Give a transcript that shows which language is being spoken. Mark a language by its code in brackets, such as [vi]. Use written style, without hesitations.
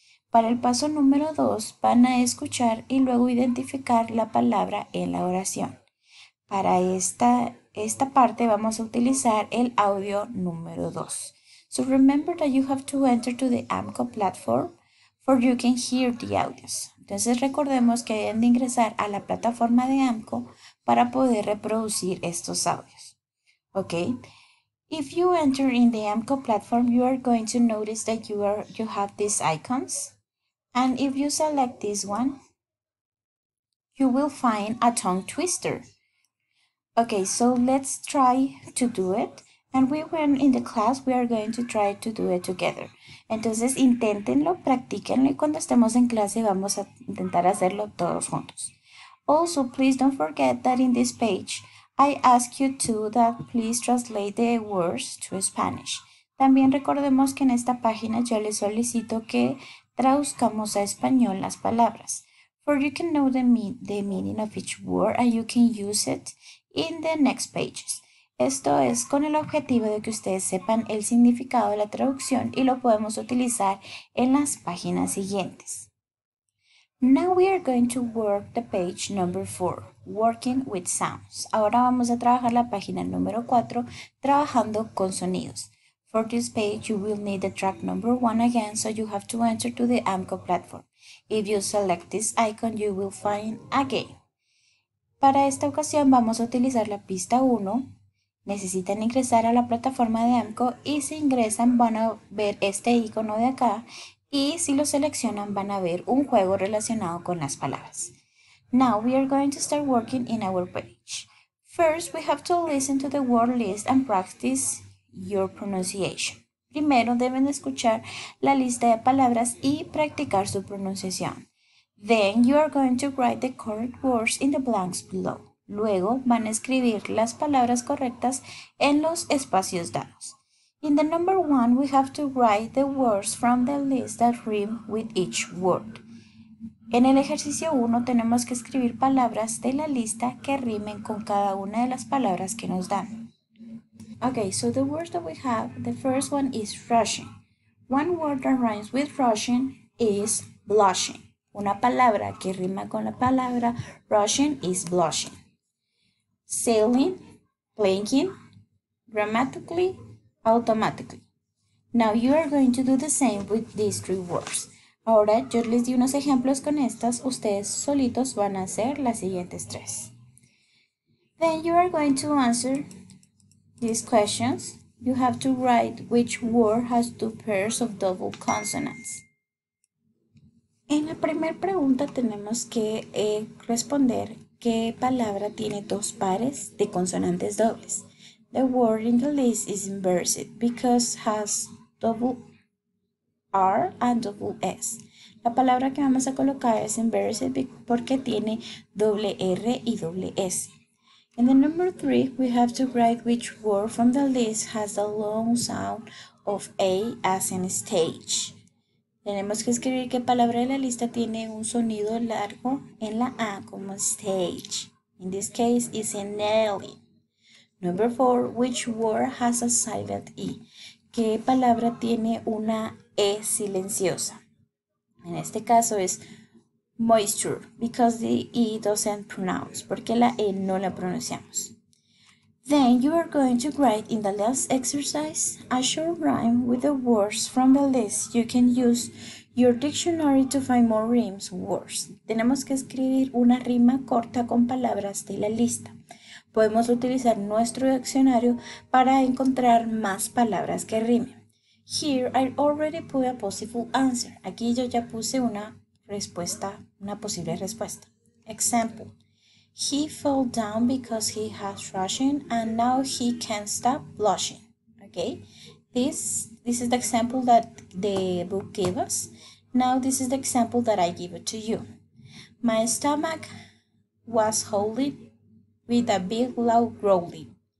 [es] Para el paso número 2, van a escuchar y luego identificar la palabra en la oración. Para esta parte, vamos a utilizar el audio número 2. [en] So remember that you have to enter to the AMCO platform for you can hear the audios. [es] Entonces recordemos que deben de ingresar a la plataforma de AMCO para poder reproducir estos audios. [en] Okay. If you enter in the AMCO platform, you are going to notice that you have these icons. And if you select this one, you will find a tongue twister. Okay, so let's try to do it. And we went in the class, we are going to try to do it together. [es] Entonces, inténtenlo, practíquenlo y cuando estemos en clase vamos a intentar hacerlo todos juntos. [en] Also, please don't forget that in this page, I ask you to that please translate the words to Spanish. [es] También recordemos que en esta página yo les solicito que traduzcamos a español las palabras. [en] For you can know the meaning of each word and you can use it in the next pages. [es] Esto es con el objetivo de que ustedes sepan el significado de la traducción y lo podemos utilizar en las páginas siguientes. [en] Now we are going to work the page number 4, working with sounds. [es] Ahora vamos a trabajar la página número 4, trabajando con sonidos. [en] For this page, you will need the track number 1 again, so you have to enter to the AMCO platform. If you select this icon, you will find again. [es] Para esta ocasión, vamos a utilizar la pista 1. Necesitan ingresar a la plataforma de AMCO y si ingresan van a ver este icono de acá y si lo seleccionan van a ver un juego relacionado con las palabras. [en] Now we are going to start working in our page. First we have to listen to the word list and practice your pronunciation. [es] Primero deben escuchar la lista de palabras y practicar su pronunciación. [en] Then you are going to write the correct words in the blanks below. [es] Luego van a escribir las palabras correctas en los espacios dados. [en] In the number one, we have to write the words from the list that rhyme with each word. [es] En el ejercicio 1 tenemos que escribir palabras de la lista que rimen con cada una de las palabras que nos dan. [en] Okay, so the words that we have, the first one is rushing. One word that rhymes with rushing is blushing. [es] Una palabra que rima con la palabra rushing is blushing. [en] Sailing, blinking, grammatically, automatically. Now you are going to do the same with these three words. [es] Ahora yo les di unos ejemplos con estas, ustedes solitos van a hacer las siguientes tres. [en] Then you are going to answer these questions. You have to write which word has two pairs of double consonants. [es] En la primera pregunta tenemos que responder qué palabra tiene dos pares de consonantes dobles. [en] The word in the list is inverted because has double R and double S. [es] La palabra que vamos a colocar es inverted porque tiene doble R y doble S. [en] In the number three, we have to write which word from the list has the long sound of A as in stage. [es] Tenemos que escribir qué palabra de la lista tiene un sonido largo en la A como stage. [en] In this case, it's in Nelly. Number four, which word has a silent E? [es] ¿Qué palabra tiene una E silenciosa? En este caso es moisture, [en] because the E doesn't pronounce, [es] porque la E no la pronunciamos. [en] Then you are going to write in the last exercise a short rhyme with the words from the list. You can use your dictionary to find more rhymes words. [es] Tenemos que escribir una rima corta con palabras de la lista. Podemos utilizar nuestro diccionario para encontrar más palabras que rimen. [en] Here I already put a possible answer. [es] Aquí yo ya puse una respuesta, una posible respuesta. [en] Example. He fell down because he has rushing and now he can't stop blushing. Okay? This is the example that the book gave us. Now this is the example that I give it to you. My stomach was holding with a big loud growling.